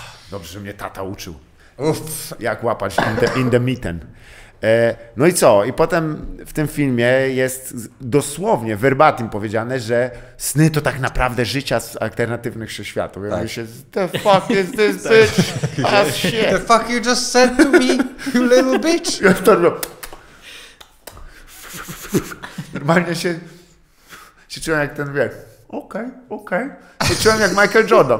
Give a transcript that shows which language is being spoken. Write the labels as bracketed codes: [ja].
[pl] Dobrze, że mnie tata uczył. Uf. Jak łapać [en] in the mitten. [pl] No i co? I potem w tym filmie jest dosłownie verbatim powiedziane, że sny to tak naprawdę życia z alternatywnych wszechświatów. Tak. Ja myślę, [en] the fuck is this bitch? Ah, shit. The fuck you just said to me, you little bitch? [pl] Ja to robię. Normalnie się czułem jak ten, wie. Okej. Okay. Czułem jak Michael Jordan.